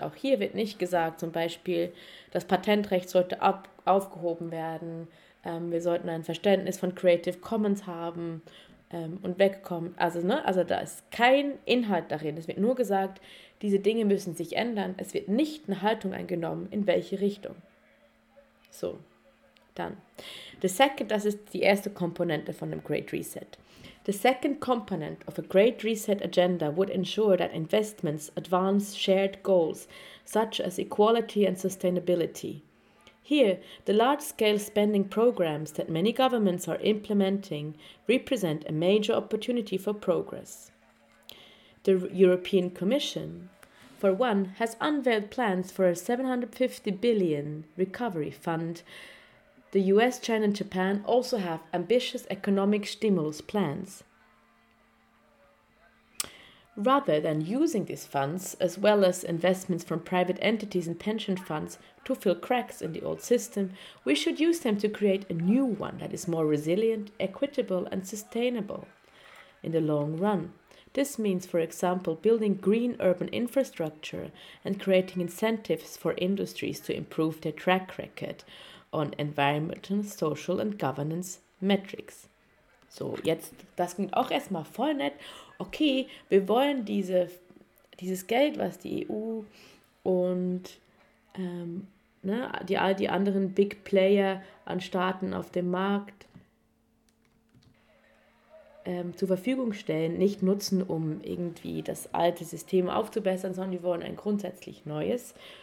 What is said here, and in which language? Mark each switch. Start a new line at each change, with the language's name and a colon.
German: Auch hier wird nicht gesagt, zum Beispiel, das Patentrecht sollte aufgehoben werden, wir sollten ein Verständnis von Creative Commons haben und wegkommen. Also, ne? Also da ist kein Inhalt darin, es wird nur gesagt, diese Dinge müssen sich ändern, es wird nicht eine Haltung eingenommen, in welche Richtung. So. Dann.
English: The second,
German: das ist die erste Komponente von dem Great Reset.
English: The second component of a Great Reset agenda would ensure that investments advance shared goals such as equality and sustainability. Here, the large-scale spending programs that many governments are implementing represent a major opportunity for progress. The European Commission, for one, has unveiled plans for a 750 billion recovery fund. The US, China and Japan also have ambitious economic stimulus plans. Rather than using these funds, as well as investments from private entities and pension funds, to fill cracks in the old system, we should use them to create a new one that is more resilient, equitable and sustainable in the long run. This means, for example, building green urban infrastructure and creating incentives for industries to improve their track record on environmental, social and governance metrics.
German: So, jetzt, das klingt auch erstmal voll nett. Okay, wir wollen dieses Geld, was die EU und all die anderen Big Player an Staaten auf dem Markt zur Verfügung stellen, nicht nutzen, um irgendwie das alte System aufzubessern, sondern wir wollen ein grundsätzlich neues.